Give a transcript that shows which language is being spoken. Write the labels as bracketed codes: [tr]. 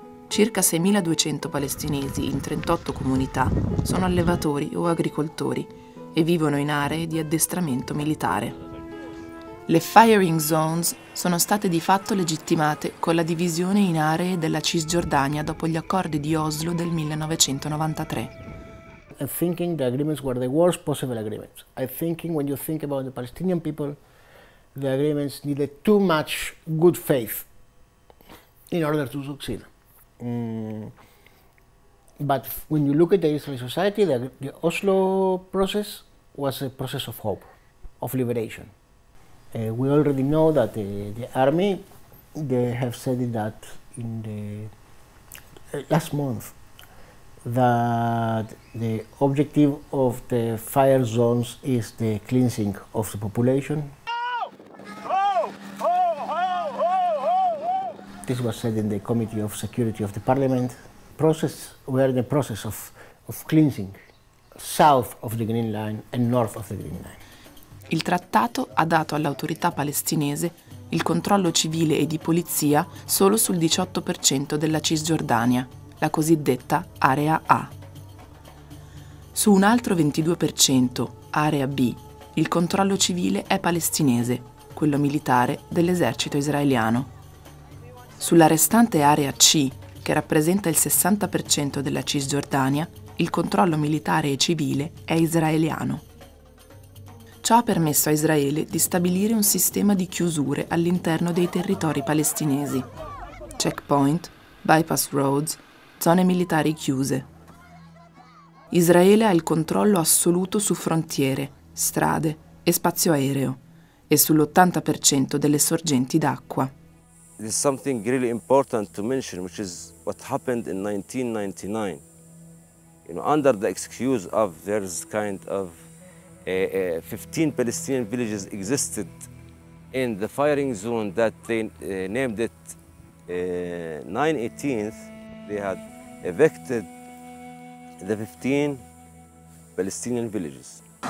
[it] Circa 6.200 palestinesi in 38 comunità sono allevatori o agricoltori e vivono in aree di addestramento militare. Le firing zones sono state di fatto legittimate con la divisione in aree della Cisgiordania dopo gli accordi di Oslo del 1993. [en] I'm thinking the agreements were the worst possible agreements. I'm thinking when you think about the Palestinian people, the agreements needed too much good faith in order to succeed. But when you look at the Israeli society, the Oslo process was a process of hope, of liberation. We already know that the army, they have said that in the last month, that the objective of the fire zones is the cleansing of the population. Oh! Oh! Oh! Oh! Oh! Oh! This was said in the Committee of Security of the Parliament. Process, we are in the process of cleansing south of the Green Line and north of the Green Line. [it] Il trattato ha dato all'autorità palestinese il controllo civile e di polizia solo sul 18% della Cisgiordania, la cosiddetta Area A. Su un altro 22%, Area B, il controllo civile è palestinese, quello militare dell'esercito israeliano. Sulla restante Area C, che rappresenta il 60% della Cisgiordania, il controllo militare e civile è israeliano. Ciò ha permesso a Israele di stabilire un sistema di chiusure all'interno dei territori palestinesi. Checkpoint, bypass roads, zone militari chiuse. Israele ha il controllo assoluto su frontiere, strade e spazio aereo e sull'80% delle sorgenti d'acqua. [en] There's something really important to mention, which is what happened in 1999. You know, under the excuse of there's kind of 15 Palestinian villages existed in the firing zone that they named it 918th, they had evicted the 15 Palestinian villages.